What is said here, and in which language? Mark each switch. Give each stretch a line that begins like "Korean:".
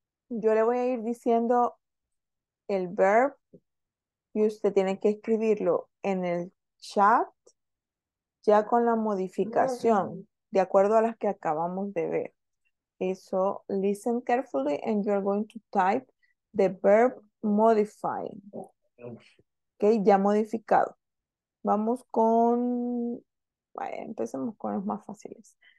Spanish: Yo le voy a ir diciendo el verb y usted tiene que escribirlo en el chat ya con la modificación de acuerdo a las que acabamos de ver.
English: Okay, so listen carefully and you're going to type the verb modify.
Spanish: Okay, ya modificado. Vamos con, vale, empecemos con los más fáciles.